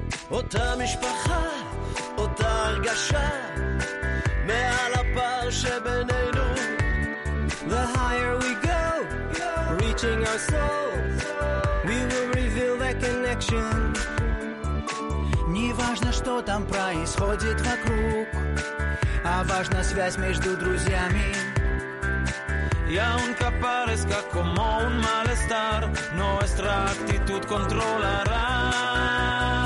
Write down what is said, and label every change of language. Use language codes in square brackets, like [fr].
[he] אותה משפחה, אותה הרגשה, מעל הפער שבינינו. [en] The higher we go, reaching our souls, we will reveal the connection. [ru] Не важно, что там происходит вокруг, а важна связь между друзьями. [es] y aunque aparezca como un malestar, nuestra actitud controlará.